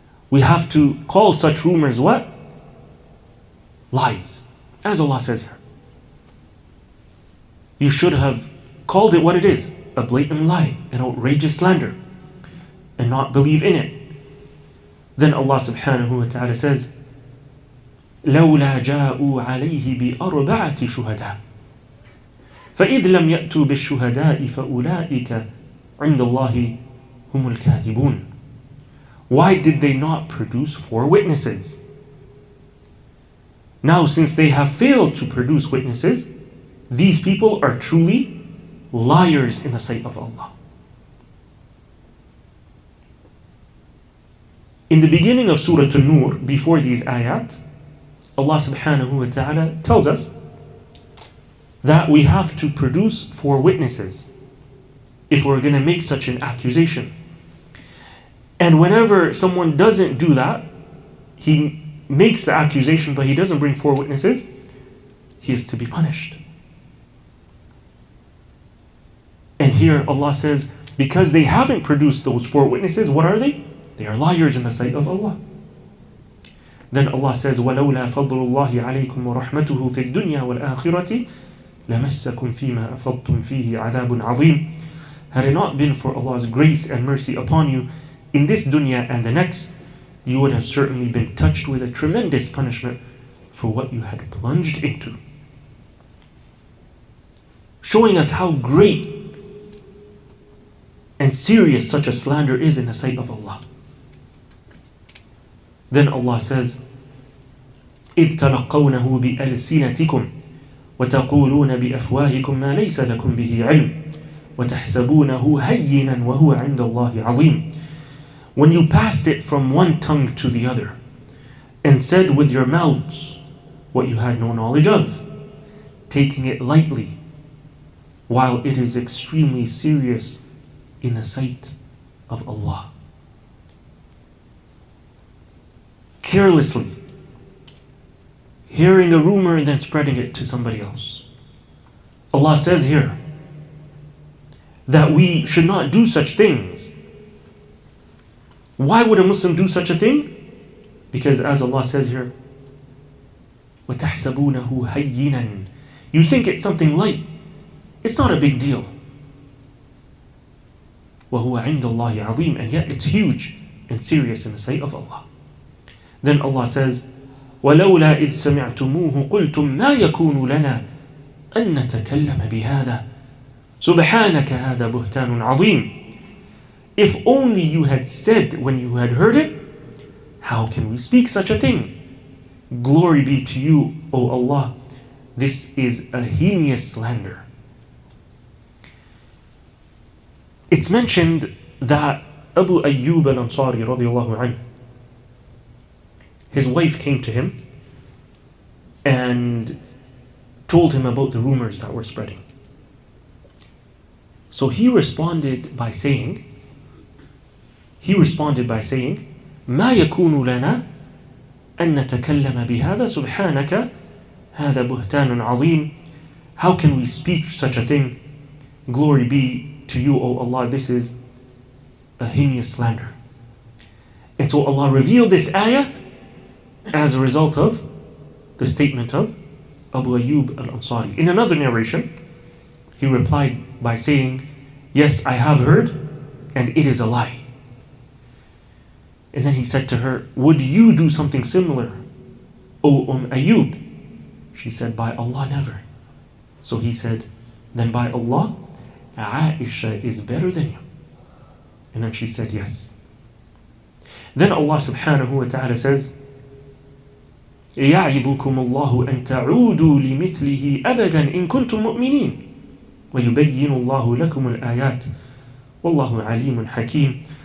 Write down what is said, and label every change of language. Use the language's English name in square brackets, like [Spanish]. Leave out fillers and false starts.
[English] We have to call such rumors what? Lies. As Allah says here. You should have called it what it is, a blatant lie, an outrageous slander, and not believe in it. Then Allah subhanahu wa ta'ala says, [Arabic] لَوْلَا جَاءُوا عَلَيْهِ بِأَرْبَعَةِ شُهَدَاءِ فَإِذْ لَمْ يَأْتُوا بِالشُّهَدَاءِ فَأُولَٰئِكَ عِنْدَ اللَّهِ هُمُ الْكَاذِبُونَ. [English] Why did they not produce four witnesses? Now, since they have failed to produce witnesses, these people are truly liars in the sight of Allah. In the beginning of Surah An-Nur, before these ayat, Allah subhanahu wa ta'ala tells us that we have to produce four witnesses if we're going to make such an accusation. And whenever someone doesn't do that, he makes the accusation but he doesn't bring four witnesses, he is to be punished. And here Allah says, because they haven't produced those four witnesses, what are they? They are liars in the sight of Allah. Then Allah says, [Arabic] وَلَوْلَا فَضْلُ اللَّهِ عَلَيْكُمْ وَرَحْمَتُهُ فِي الدُّنْيَا وَالْآخِرَةِ لَمَسَّكُمْ فِي مَا أَفَضْتُمْ فِيهِ عَذَابٌ عَظِيمٌ. [English] Had it not been for Allah's grace and mercy upon you in this dunya and the next, you would have certainly been touched with a tremendous punishment for what you had plunged into. Showing us how great and serious such a slander is in the sight of Allah. Then Allah says, [Arabic] إِذْ تَلَقَّوْنَهُ بِأَلْسِنَتِكُمْ وَتَقُولُونَ بِأَفْوَاهِكُمْ مَا لَيْسَ لَكُمْ بِهِ عِلْمٌ وَتَحْسَبُونَهُ هَيِّنًا وَهُوَ عِنْدَ اللَّهِ عَظِيمٌ. [English] When you passed it from one tongue to the other and said with your mouths what you had no knowledge of, taking it lightly, while it is extremely serious in the sight of Allah. Carelessly hearing a rumor and then spreading it to somebody else. Allah says here that we should not do such things. Why would a Muslim do such a thing? Because as Allah says here, [Arabic] وَتَحْسَبُونَهُ هَيِّنًا. [English] You think it's something light. It's not a big deal. [Arabic] وَهُوَ عِنْدَ اللَّهِ عَظِيمٌ. [English] And yet it's huge and serious in the sight of Allah. Then Allah says, [Arabic] وَلَوْلَا إِذْ سَمِعْتُمُوهُ قُلْتُمْ مَا يَكُونُ لَنَا أَن نَتَكَلَّمَ بِهَذَا سُبْحَانَكَ هَذَا بُهْتَانٌ عَظِيمٌ. [English] If only you had said when you had heard it, how can we speak such a thing? Glory be to you, O Allah. This is a heinous slander. It's mentioned that Abu Ayyub al-Ansari radiallahu anhu, his wife came to him and told him about the rumors that were spreading. So he responded by saying, [Arabic] مَا يَكُونُ لَنَا أَن نَتَكَلَّمَ بِهَذَا سُبْحَانَكَ هَذَا بُهْتَانٌ عَظِيمٌ. [English] How can we speak such a thing? Glory be to you, O Allah. This is a heinous slander. And so Allah revealed this ayah as a result of the statement of Abu Ayyub al-Ansari. In another narration, he replied by saying, yes, I have heard, and it is a lie. And then he said to her, would you do something similar, O Ayyub? She said, by Allah, never. So he said, then by Allah, Aisha is better than you. And then she said, yes. Then Allah subhanahu wa ta'ala says, [Arabic] يَعِذُكُمُ اللَّهُ أَن تَعُودُوا لِمِثْلِهِ أَبَدًا إِن كُنْتُم مُؤْمِنِينَ وَيُبَيِّنُ اللَّهُ لَكُمُ الْآيَاتِ وَاللَّهُ عَلِيمٌ حَكِيمٌ.